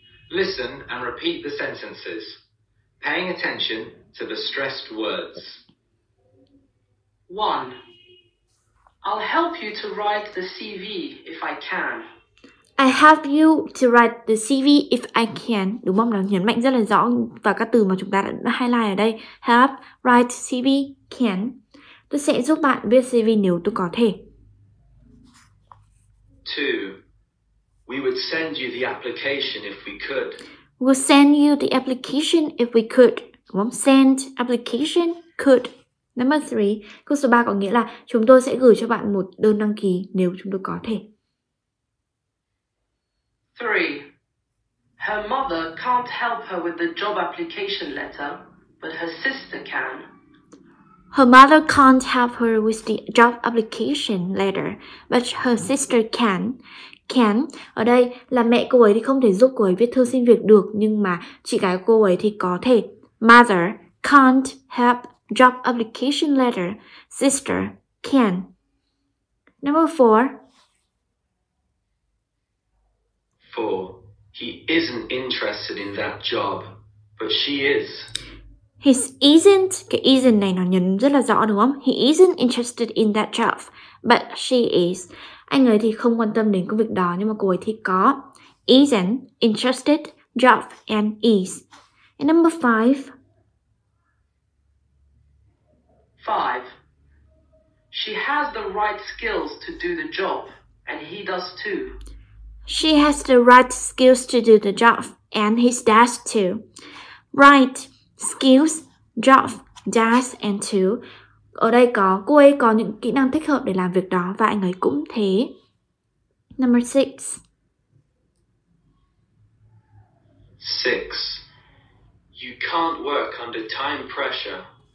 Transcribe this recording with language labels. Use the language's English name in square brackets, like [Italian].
[English] Listen and repeat the sentences, paying attention to the stressed words. 1. I'll help you to write the CV if I can. I help you to write the CV if I can. [Vietnamese] Đúng không? Nó nhấn mạnh rất là rõ vào các từ mà chúng ta đã highlight ở đây. [English] Help, write, CV, can. [Vietnamese] Tôi sẽ giúp bạn viết CV nếu tôi có thể. 2. [English] We would send you the application if we could. We'll send you the application if we could. [Vietnamese] Đúng không? [English] Send, application, could. Number 3. [Vietnamese] Câu số 3 có nghĩa là chúng tôi sẽ gửi cho bạn một đơn đăng ký nếu chúng tôi có thể. [English] 3. Her mother can't help her with the job application letter, but her sister can. Her mother can't help her with the job application letter, but her sister can. [Vietnamese] Can ở đây là mẹ cô ấy thì không thể giúp cô ấy viết thư xin việc được, nhưng mà chị gái cô ấy thì có thể. [English] Mother can't help job application letter. Sister can. Number 4. For he isn't interested in that job, but she is. He isn't, [Vietnamese] cái isn't này nó nhấn rất là rõ đúng không? [English] He isn't interested in that job, but she is. [Vietnamese] Anh ấy thì không quan tâm đến công việc đó, nhưng mà cô ấy thì có. [English] Isn't, interested, job, and is. And number 5. 5. She has the right skills to do the job, and he does too. She has the right skills to do the job, and he does too. Right, skills, job, does, and too. [Vietnamese] Ở đây có cô ấy có những kỹ năng thích hợp để làm việc đó và anh ấy cũng thế. [English] Number 6. 6. You can't work under time pressure.